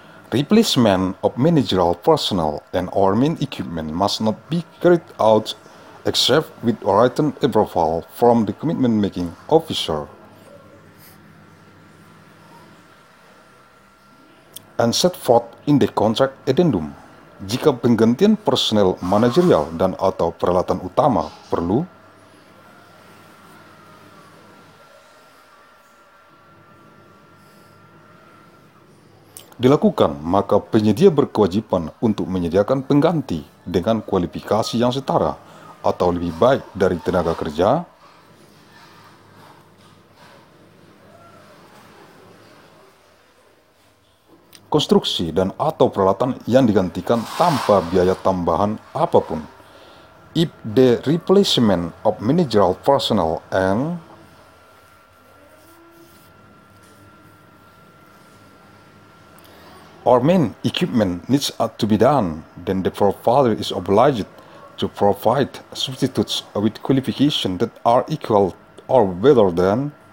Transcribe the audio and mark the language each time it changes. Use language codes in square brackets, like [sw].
[en] Replacement of managerial personnel and or main equipment must not be carried out except with written approval from the commitment-making officer. And set forth in the contract addendum, [id] jika penggantian personel manajerial dan atau peralatan utama perlu, dilakukan, maka penyedia berkewajiban untuk menyediakan pengganti dengan kualifikasi yang setara atau lebih baik dari tenaga kerja konstruksi dan atau peralatan yang digantikan tanpa biaya tambahan apapun. [en] If the replacement of managerial personnel and or main equipment needs to be done, then the provider is obliged to provide substitutes with qualifications that are equal or better than